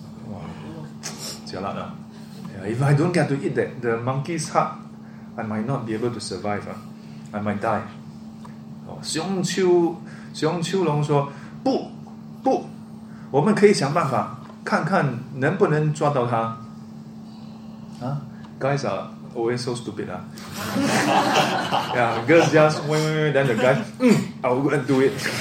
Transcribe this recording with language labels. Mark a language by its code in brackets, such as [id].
[zh] 哇，绝了啊 [en] If I don't get to eat the monkey's heart, I might not be able to survive.、I might die. [zh] 熊秋龙说不不，我们可以想办法。看看能不能抓到他、 [en] Guys are always so stupid、Yeah, girls just wait, wait, wait, then the guy、I'll go and do it